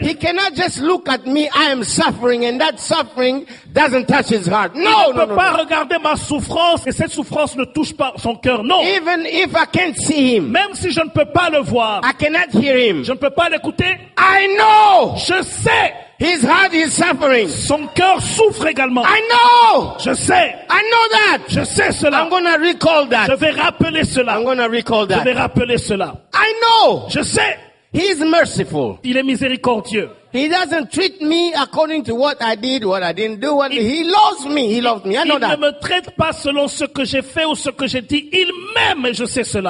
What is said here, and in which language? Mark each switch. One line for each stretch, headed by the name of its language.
English: He cannot just look at me, I am suffering, and that suffering doesn't touch his heart. No,
French: il ne peut
English: no,
French: pas
English: no.
French: regarder ma souffrance, et cette souffrance ne touche pas son cœur. Non.
English: Even if I can't see him.
French: Même si je ne peux pas le voir.
English: I cannot hear him.
French: Je ne peux pas l'écouter.
English: I know.
French: Je sais.
English: His heart is suffering.
French: Son cœur souffre également.
English: I know.
French: Je sais.
English: I know that.
French: Je sais cela.
English: I'm gonna recall that.
French: Je vais rappeler cela.
English: I'm gonna recall that.
French: Je vais rappeler cela.
English: I know.
French: Je sais.
English: He is merciful.
French: Il est miséricordieux.
English: He doesn't treat me according to what I did, what I didn't do. What he loves me. He loves me. I know that.
French: Il ne me traite pas selon ce que j'ai fait ou ce que j'ai dit. Il m'aime et je sais cela.